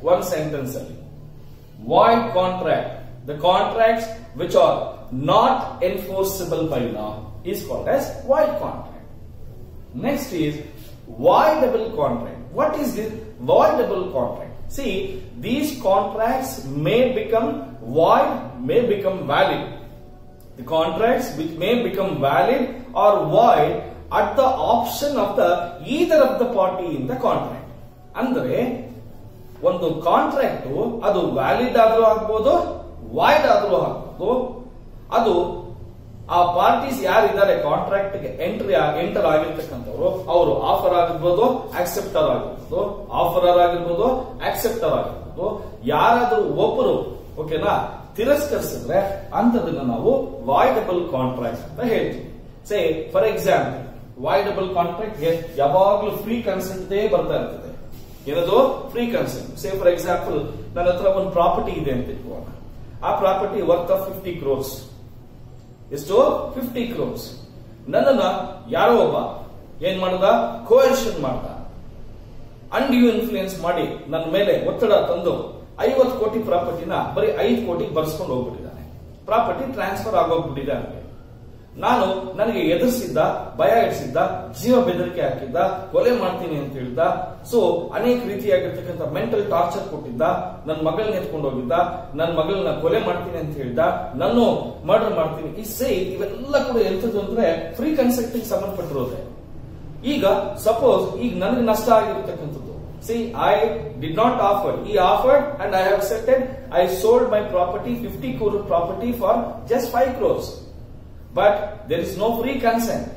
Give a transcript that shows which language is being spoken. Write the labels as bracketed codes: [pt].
[en] One sentence ಅಲ್ಲಿ void contract, the contracts which are not enforceable by law is called as void contract. Next is voidable contract. What is this voidable contract? See these contracts may become void, may become valid. The contracts which may become valid or void at the option of the either of the party in the contract. [kn] Andre, ondu contract adu valid adru agbodu, void adru agbodu, adu aa parties yaar idare contract ge enter agirthakkantavaru avaru offer agirbodu, acceptor agirbodu, offerer agirbodu, acceptor agirbodu, yaradru oppuru okay na ತಿರಸ್ಕರಿಸಿದ್ರೆ ಅಂತದನ್ನ ನಾವು ವಾಯ್ಡಬಲ್ contract ಅಂತ ಹೇಳ್ತೀವಿ. [en] say for example, [kn] ವಾಯ್ಡಬಲ್ contract ಗೆ ಯಾವಾಗ್ಲೂ free consent ಬರ್ತಾ ಇರ್ತದೆ. ಏನದು free consent? [en] say for example, [kn] ನನ್ನ ಹತ್ರ ಒಂದು ಪ್ರಾಪರ್ಟಿ ಇದೆ ಅಂತ ಇಟ್ಕೋಣ. ಆ ಪ್ರಾಪರ್ಟಿ ವರ್ತ್ ಆಫ್ 50 crores. ಎಷ್ಟು? 50 crores. ನನ್ನ ಯಾರೋ ಒಬ್ಬ ಏನ್ ಮಾಡ್ದ? ಕೋಯರ್ಷನ್ ಮಾಡ್ದ, ಅಂಡ್ಯೂ ಇನ್ಫ್ಲೂಯೆನ್ಸ್ ಮಾಡಿ ನನ್ನ ಮೇಲೆ ಒತ್ತಡ ತಂದು 50 crore ಪ್ರಾಪರ್ಟಿನ ಬರೀ 5 crore ಬರ್ಸ್ಕೊಂಡು ಹೋಗ್ಬಿಟ್ಟಿದ್ದಾನೆ. ಪ್ರಾಪರ್ಟಿ ಟ್ರಾನ್ಸ್ಫರ್ ಆಗೋಗ್ಬಿಟ್ಟಿದೆ ಅಂದ್ರೆ ನಾನು ನನಗೆ ಎದುರಿಸಿದ್ದ, ಭಯ ಇಡಿಸಿದ್ದ, ಜೀವ ಬೆದರಿಕೆ ಹಾಕಿದ್ದ, ಕೊಲೆ ಮಾಡ್ತೀನಿ ಅಂತ ಹೇಳಿದ್ದ, ಸೊ ಅನೇಕ ರೀತಿಯಾಗಿರ್ತಕ್ಕಂಥ ಮೆಂಟಲ್ ಟಾರ್ಚರ್ ಕೊಟ್ಟಿದ್ದ, ನನ್ನ ಮಗಳನ್ನ ಎತ್ಕೊಂಡು ಹೋಗಿದ್ದ, ನನ್ನ ಮಗಳನ್ನ ಕೊಲೆ ಮಾಡ್ತೀನಿ ಅಂತ ಹೇಳಿದ್ದ, ನಾನು ಮರ್ಡರ್ ಮಾಡ್ತೀನಿ, ಈ ಸೇ ಇವೆಲ್ಲ ಕೂಡ ಎಂತದ್ದು ಅಂದ್ರೆ ಫ್ರೀ ಕನ್ಸೆಂಟ್ ಸಂಬಂಧಪಟ್ಟಿರೋದೆ. ಈಗ ಸಪೋಸ್ ಈಗ ನನಗೆ ನಷ್ಟ ಆಗಿರ್ತಕ್ಕಂಥದ್ದು, [en] See, I did not offer. He offered and I accepted. I sold my property, 50 crore property for just 5 crores. But there is no free consent.